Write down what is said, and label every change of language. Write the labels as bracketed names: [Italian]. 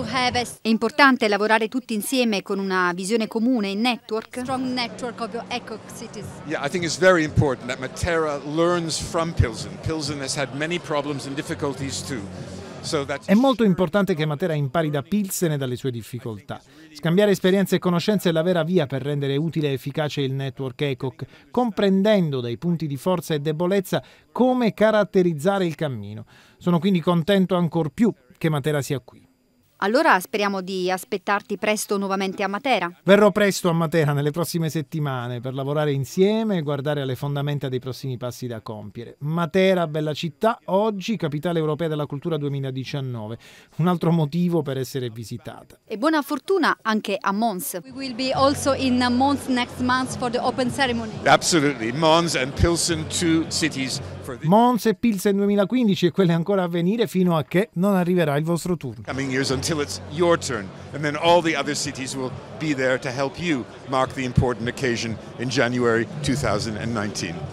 [Italian] È importante lavorare tutti insieme con una visione comune in network? [English] Strong network of eco cities. Yeah, I think it's very important that Matera learns from Pilsen. Pilsen has had many problems and difficulties too. [Italian] È molto importante che Matera impari da Pilsen e dalle sue difficoltà. Scambiare esperienze e conoscenze è la vera via per rendere utile e efficace il network ECOC, comprendendo dai punti di forza e debolezza come caratterizzare il cammino. Sono quindi contento ancor più che Matera sia qui. Allora speriamo di aspettarti presto nuovamente a Matera. Verrò presto a Matera nelle prossime settimane per lavorare insieme e guardare alle fondamenta dei prossimi passi da compiere. Matera, bella città, oggi capitale europea della cultura 2019. Un altro motivo per essere visitata. E buona fortuna anche a Mons. [English] We will be also in Mons next month for the open ceremony. Absolutely, Mons and Pilsen, two cities. [Italian] Mons e Pilsen 2015 e quelle ancora a venire fino a che non arriverà il vostro turno. [English] Coming years until it's your turn, and then all the other cities will be there to help you mark the important occasion in January 2019.